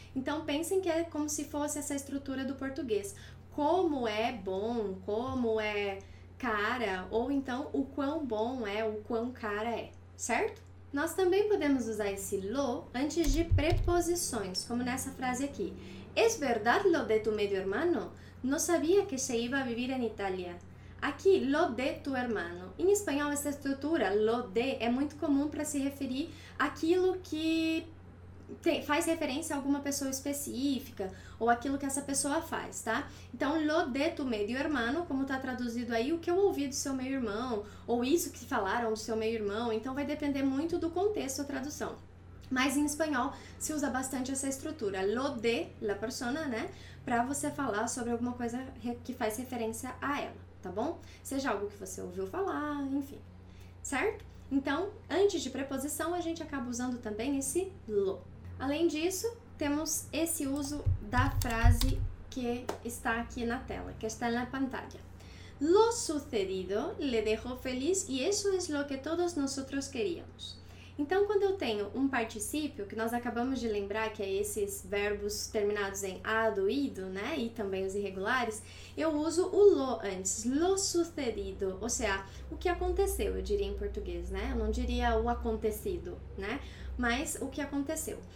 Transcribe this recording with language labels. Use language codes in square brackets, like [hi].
[pt] Então, pensem que é como se fosse essa estrutura do português. Como é bom, como é cara, ou então o quão bom é, o quão cara é, certo? Nós também podemos usar esse lo antes de preposições, como nessa frase aqui. [es] ¿Es verdad lo de tu medio hermano? No sabía que se iba a vivir en Italia. [pt] Aqui, [es] lo de tu hermano. [pt] Em espanhol, essa estrutura, lo de, é muito comum para se referir àquilo que faz referência a alguma pessoa específica ou aquilo que essa pessoa faz, tá? Então, [es] lo de tu medio hermano, [pt] como tá traduzido aí, o que eu ouvi do seu meio-irmão ou isso que falaram do seu meio-irmão, então vai depender muito do contexto da tradução. Mas em espanhol se usa bastante essa estrutura, [es] lo de la persona, [pt] né? Pra você falar sobre alguma coisa que faz referência a ela, tá bom? Seja algo que você ouviu falar, enfim, certo? Então, antes de preposição, a gente acaba usando também esse lo. Além disso, temos esse uso da frase que está aqui na tela, que está na pantalla. [es] Lo sucedido le dejó feliz y eso es lo que todos nosotros queríamos. [pt] Então, quando eu tenho um particípio, que nós acabamos de lembrar que é esses verbos terminados em ado, ido, né? E também os irregulares, eu uso o lo antes, [es] lo sucedido, [pt] ou seja, o que aconteceu, eu diria em português, né? Eu não diria o acontecido, né? Mas o que aconteceu.